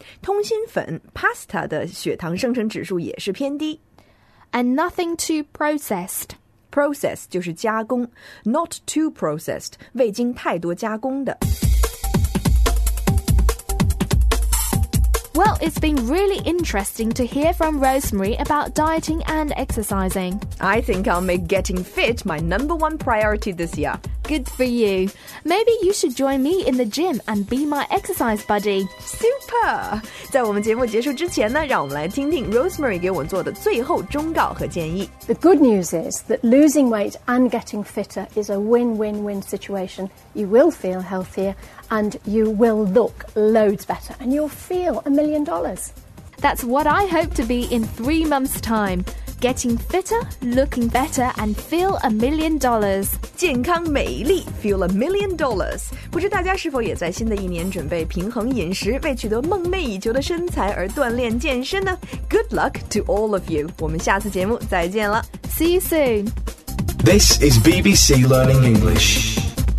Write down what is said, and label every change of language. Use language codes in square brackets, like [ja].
[zh] 通心粉 pasta 的血糖生成指数也是偏低。 [en] And nothing too processed. Processed [zh] 就是加工 ， [en] not too processed [zh] 未经太多加工的。 [en] Well, it's been really interesting to hear from Rosemary about dieting and exercising. I think I'll make getting fit my number one priority this year. Good for you. Maybe you should join me in the gym and be my exercise buddy. Super! [zh] 在我们节目结束之前呢，让我们来听听 Rosemary 给我做的最后忠告和建议。 [en] The good news is that losing weight and getting fitter is a win-win-win situation. You will feel healthier. And you will look loads better, and you'll feel $1 million. That's what I hope to be in 3 months' time. Getting fitter, looking better, and feel $1 million. [zh] 健康美丽 [en] feel $1 million. [zh] 不知大家是否也在新的一年准备平衡饮食，为取得梦寐以求的身材而锻炼健身呢 ？ [en] Good luck to all of you. [zh] 我们下次节目再见了。 [en] See you soon. This is BBC Learning English.